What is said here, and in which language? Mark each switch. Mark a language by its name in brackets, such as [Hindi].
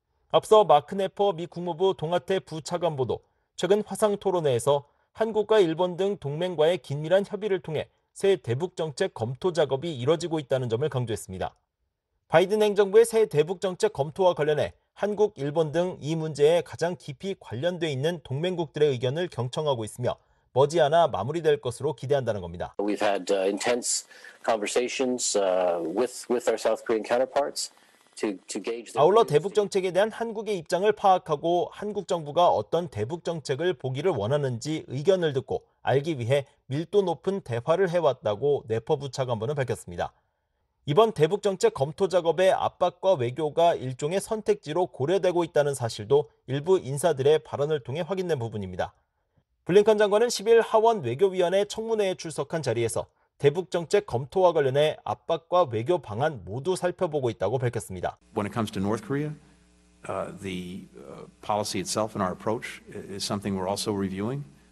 [Korean] 앞서 마크 네퍼 미 국무부 동아태 부차관보도 최근 화상 토론회에서 한국과 일본 등 동맹과의 긴밀한 협의를 통해 새 대북 정책 검토 작업이 이뤄지고 있다는 점을 강조했습니다. 바이든 행정부의 새 대북 정책 검토와 관련해 한국, 일본 등 이 문제에 가장 깊이 관련돼 있는 동맹국들의 의견을 경청하고 있으며 머지않아 마무리될 것으로 기대한다는 겁니다. [English] We've had intense conversations with our South Korean counterparts to gauge. [Korean] 아울러 대북 정책에 대한 한국의 입장을 파악하고 한국 정부가 어떤 대북 정책을 보기를 원하는지 의견을 듣고 알기 위해 밀도 높은 대화를 해왔다고 네퍼 부차관보는 밝혔습니다. 이번 대북정책 검토 작업의 압박과 외교가 일종의 선택지로 고려되고 있다는 사실도 일부 인사들의 발언을 통해 확인된 부분입니다. 블링컨 장관은 10일 하원 외교위원회 청문회에 출석한 자리에서 대북정책 검토와 관련해 압박과 외교 방안 모두 살펴보고 있다고 밝혔습니다. [English] When it comes to North Korea, the policy itself and our approach is something we're also reviewing.